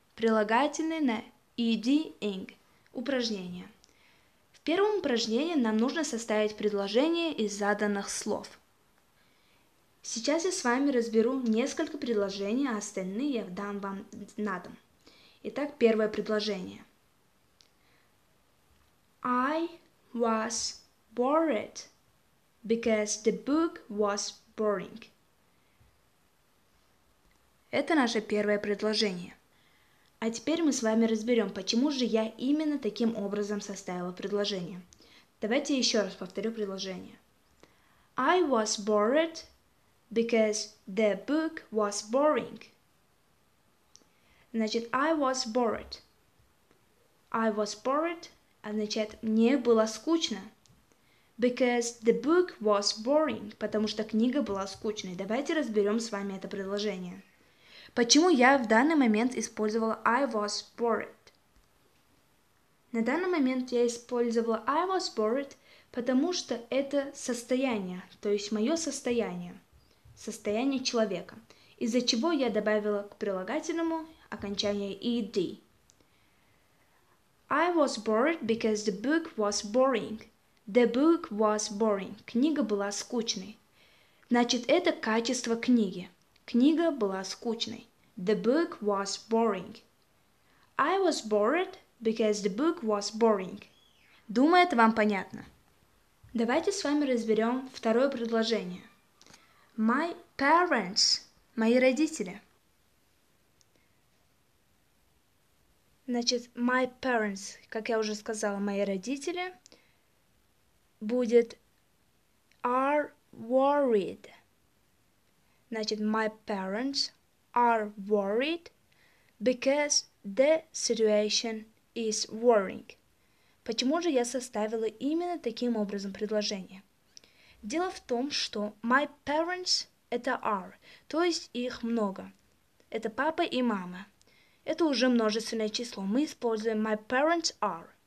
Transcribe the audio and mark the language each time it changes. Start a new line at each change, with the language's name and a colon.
Russian: Прилагательные на ed ing. Упражнение. В первом упражнении нам нужно составить предложение из заданных слов. Сейчас я с вами разберу несколько предложений, а остальные я дам вам на дом. Итак, первое предложение.
English: I was bored because the book was boring.
Russian: Это наше первое предложение. А теперь мы с вами разберем, почему же я именно таким образом составила предложение. Давайте еще раз повторю предложение.
English: I was bored because the book was boring.
Russian: Значит,
English: I was bored. I was bored
Russian: означает «мне было скучно».
English: Because the book was boring.
Russian: Потому что книга была скучной. Давайте разберем с вами это предложение. Почему я в данный момент использовала
English: I was bored?
Russian: На данный момент я использовала
English: I was bored,
Russian: потому что это состояние, то есть мое состояние, состояние человека, из-за чего я добавила к прилагательному окончание ed.
English: I was bored because the book was boring. The book was boring.
Russian: Книга была скучной. Значит, это качество книги. Книга была скучной.
English: The book was boring. I was bored because the book was boring.
Russian: Думаю, это вам понятно. Давайте с вами разберем второе предложение.
English: My parents.
Russian: Мои родители. Значит,
English: my parents,
Russian: как я уже сказала, мои родители, будет
English: are worried.
Russian: Значит,
English: my parents are worried because the situation is worrying.
Russian: Почему же я составила именно таким образом предложение? Дело в том, что
English: my parents
Russian: – это are, то есть их много. Это папа и мама. Это уже множественное число. Мы используем
English: my parents are.